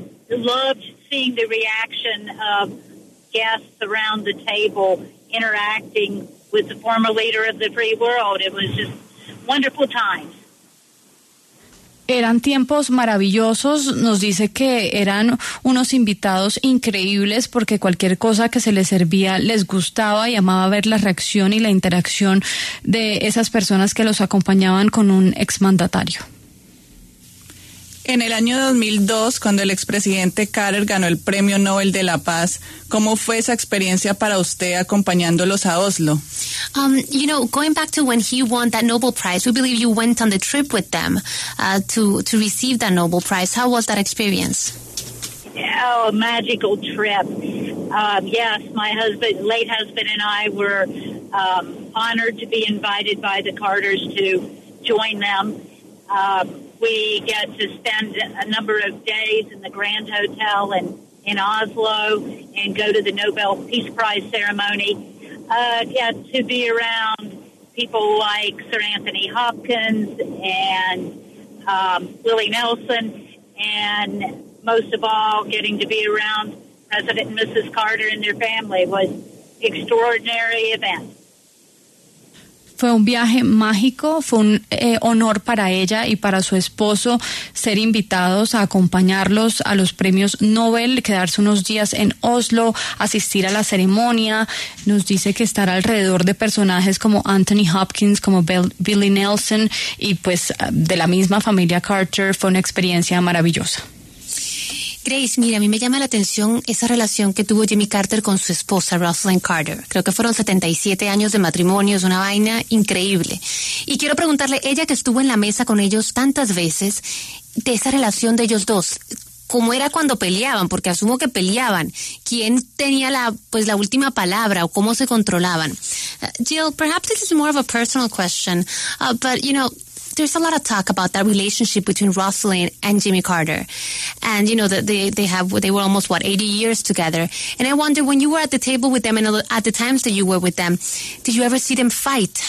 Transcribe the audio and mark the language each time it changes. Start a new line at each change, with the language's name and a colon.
English: Loved seeing the reaction of guests around the table interacting with the former leader of the free world. It was just wonderful times.
Spanish: Eran tiempos maravillosos, nos dice que eran unos invitados increíbles porque cualquier cosa que se les servía les gustaba y amaba ver la reacción y la interacción de esas personas que los acompañaban con un exmandatario. En el año 2002, cuando el expresidente Carter ganó el Premio Nobel de la Paz, ¿cómo fue esa experiencia para usted acompañándolos a Oslo?
English: You know, going back to when he won that Nobel Prize, we believe you went on the trip with them to receive that Nobel Prize. How was that experience? Oh, a magical trip. Yes, my husband, late husband and I were honored to be invited by the Carters to join them. We get to spend a number of days in the Grand Hotel in Oslo and go to the Nobel Peace Prize ceremony. Get to be around people like Sir Anthony Hopkins and Willie Nelson, and most of all, getting to be around President and Mrs. Carter and their family was an extraordinary event.
Spanish: Fue un viaje mágico, fue un honor para ella y para su esposo ser invitados a acompañarlos a los premios Nobel, quedarse unos días en Oslo, asistir a la ceremonia. Nos dice que estar alrededor de personajes como Anthony Hopkins, como Billy Nelson y pues de la misma familia Carter fue una experiencia maravillosa. Grace, mira, a mí me llama la atención esa relación que tuvo Jimmy Carter con su esposa, Rosalynn Carter. Creo que fueron 77 años de matrimonio, es una vaina increíble. Y quiero preguntarle, ella que estuvo en la mesa con ellos tantas veces, de esa relación de ellos dos, ¿cómo era cuando peleaban? Porque asumo que peleaban. ¿Quién tenía la última palabra o cómo se controlaban?
English: Jill, perhaps this is more of a personal question, but you know, there's a lot of talk about that relationship between Rosalynn and Jimmy Carter. And, you know, they were almost, 80 years together. And I wonder, when you were at the table with them and at the times that you were with them, did you ever see them fight?